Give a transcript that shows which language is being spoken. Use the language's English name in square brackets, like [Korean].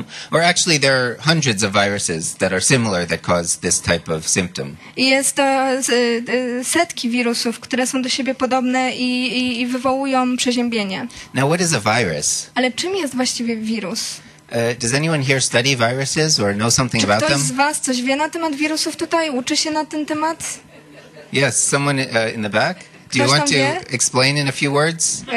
[English] Or actually, there are hundreds of viruses that are similar that cause this type of symptom. [Polish] Jest to setki wirusów, które są do siebie podobne i wywołują przeziębienie. [English] Now, what is a virus? [Polish] Ale czym jest właściwie wirus? [English] Does anyone here study viruses or know something about them? [Polish] Czy ktoś z was coś wie na temat wirusów tutaj? Uczy się na ten temat? [English] Yes, someone in the back. Do you want to explain in a few words?